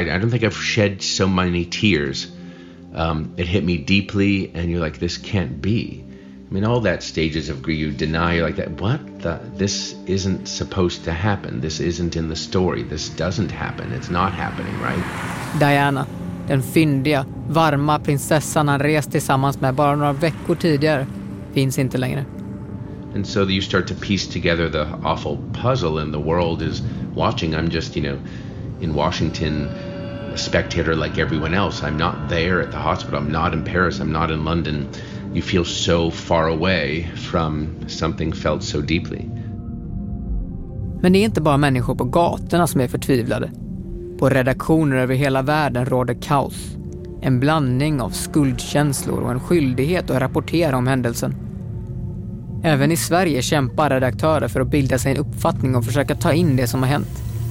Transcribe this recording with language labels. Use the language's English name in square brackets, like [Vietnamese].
[English] I don't think I've shed so many tears. It hit me deeply, and you're like, this can't be. I mean, all that stages of grief, you deny, you're like, this isn't supposed to happen. This isn't in the story. This doesn't happen. It's not happening, right? [Swedish] Diana, den fyndiga, varma prinsessan han rest tillsammans med bara några veckor tidigare, finns inte längre. [English] And so you start to piece together the awful puzzle, and the world is watching. I'm just, you know, in Washington, spectator like everyone else. I'm not there at the hospital. I'm not in Paris. I'm not in London. You feel so far away from something felt so deeply. [Swedish] Men det är inte bara människor på gatorna som är förtvivlade. På redaktioner över hela världen råder kaos. En blandning av skuldkänslor och en skyldighet att rapportera om händelsen. Även i Sverige kämpar redaktörer för att bilda sig en uppfattning och försöka ta in det som har hänt.